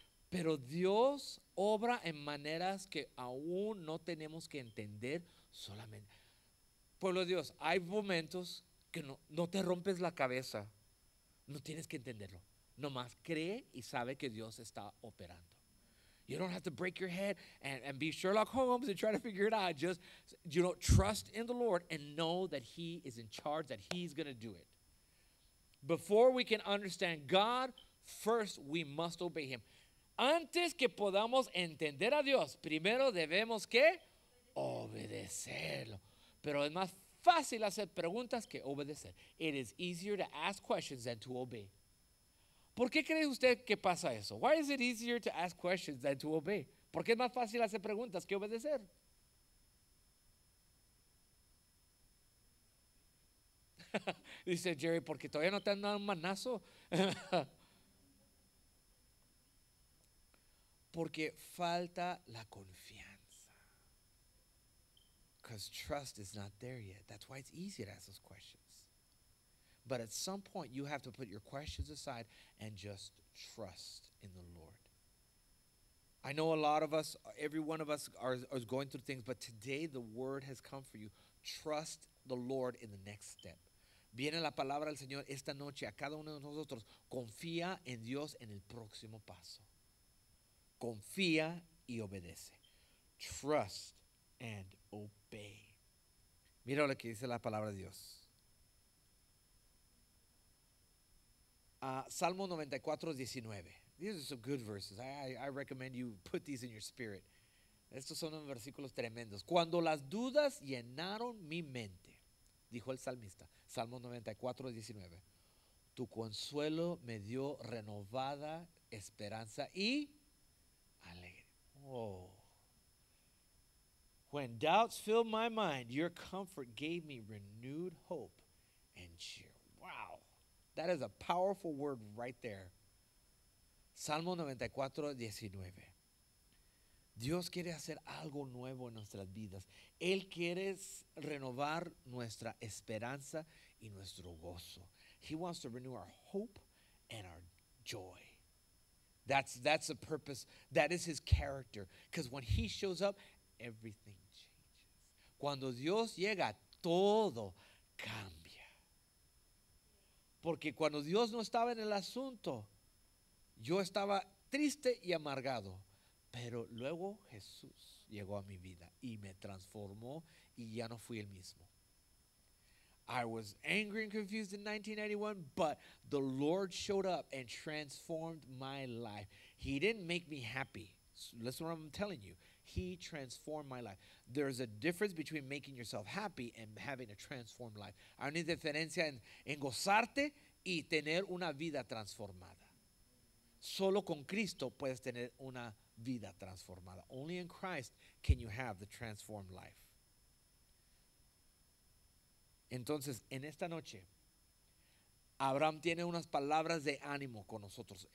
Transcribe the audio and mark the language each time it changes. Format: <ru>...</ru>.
<es>Pero Dios obra en maneras que aún no tenemos que entender solamente. Pueblo de Dios, hay momentos que no te rompes la cabeza, no tienes que entenderlo, nomás cree y sabe que Dios está operando.</es> <en>You don't have to break your head and be Sherlock Holmes and try to figure it out. Just, you know, trust in the Lord and know that He is in charge, that He's going to do it. Before we can understand God, first we must obey Him.</en> <es>Antes que podamos entender a Dios, primero debemos que obedecerlo. Pero es más fácil hacer preguntas que obedecer.</es> <en>It is easier to ask questions than to obey.</en> <es>¿Por qué cree usted que pasa eso?</es> <en>Why is it easier to ask questions than to obey?</en> <es>¿Por qué es más fácil hacer preguntas que obedecer? Dice Jerry, porque todavía no te han dado un manazo. Porque falta la confianza.</es> <en>Because trust is not there yet. That's why it's easier to ask those questions. But at some point, you have to put your questions aside and just trust in the Lord. I know a lot of us, every one of us are going through things, but today the word has come for you. Trust the Lord in the next step.</en> <es>Viene la palabra del Señor esta noche a cada uno de nosotros. Confía en Dios en el próximo paso. Confía y obedece.</es> <en>Trust and obey.</en> <es>Mira lo que dice la palabra de Dios. Salmo 94:19.</es> <en>These are some good verses. I recommend you put these in your spirit.</en> <es>Estos son unos versículos tremendos. Cuando las dudas llenaron mi mente, dijo el salmista, Salmo 94:19, tu consuelo me dio renovada esperanza y alegría. Oh.</es> <en>When doubts filled my mind, your comfort gave me renewed hope and cheer. Wow. That is a powerful word right there. Salmo 94:19.</en> <es>Dios quiere hacer algo nuevo en nuestras vidas. Él quiere renovar nuestra esperanza y nuestro gozo.</es> <en>He wants to renew our hope and our joy. That's the purpose. That is His character. Because when He shows up, everything changes.</en> <es>Cuando Dios llega, todo cambia. Porque cuando Dios no estaba en el asunto, yo estaba triste y amargado. Pero luego Jesús llegó a mi vida y me transformó y ya no fui el mismo.</es> <en>I was angry and confused in 1991, but the Lord showed up and transformed my life. He didn't make me happy. Listen to what I'm telling you. He transformed my life. There's a difference between making yourself happy and having a transformed life.</en> <es>Hay una diferencia en gozarte y tener una vida transformada. Solo con Cristo puedes tener una vida transformada.</es> <en>Only in Christ can you have the transformed life.</en> <es>Entonces, en esta noche, Abraham tiene unas palabras de ánimo con nosotros.</es>